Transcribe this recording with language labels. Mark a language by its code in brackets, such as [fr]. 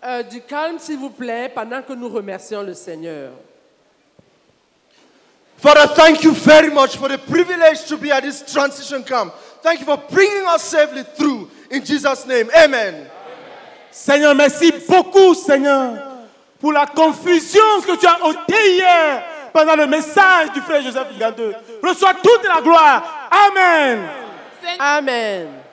[fr] Du calme, s'il vous plaît, pendant que nous remercions le Seigneur. [en] Father, thank you very much for the privilege to be at this transition camp. Thank you for bringing us safely through. In Jesus' name, amen. Amen. [fr] Seigneur, merci beaucoup, Seigneur, pour la confusion que tu as ôtée hier pendant le message du frère Joseph Gadeux. Reçois toute la gloire. Amen. Amen.